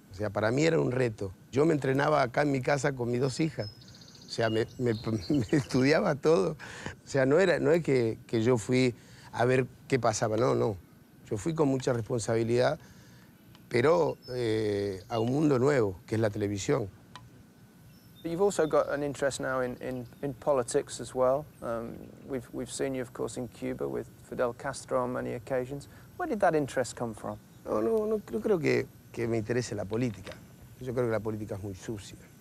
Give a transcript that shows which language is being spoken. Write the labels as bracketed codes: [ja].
[es] O sea, para mí era un reto. Yo me entrenaba acá en mi casa con mis dos hijas, o sea, me estudiaba todo. O sea, no es que yo fui a ver qué pasaba, no. Yo fui con mucha responsabilidad, pero a un mundo nuevo, que es la televisión. [en] You've also got an interest now in politics as well. We've seen you, of course, in Cuba with Fidel Castro on many occasions. Where did that interest come from? [es] No, yo creo que me interese la política. Yo creo que la política es muy sucia.